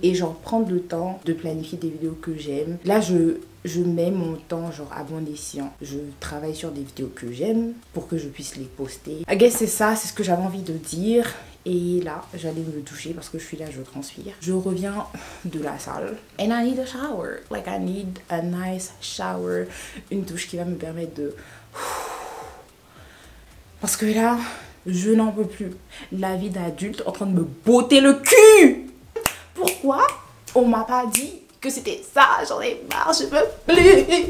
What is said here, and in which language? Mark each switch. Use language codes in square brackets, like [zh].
[fr] Et genre prendre le temps de planifier des vidéos que j'aime. Là, je mets mon temps genre à bon escient. Je travaille sur des vidéos que j'aime pour que je puisse les poster. [en] I guess [fr] c'est ça, c'est ce que j'avais envie de dire. Et là, j'allais me doucher parce que je suis là, je transpire. Je reviens de la salle. [en] And I need a shower. Like I need a nice shower. [fr] Une douche qui va me permettre de... Parce que là, je n'en peux plus. La vie d'adulte en train de me botter le cul. Pourquoi on m'a pas dit que c'était ça? J'en ai marre, je veux plus.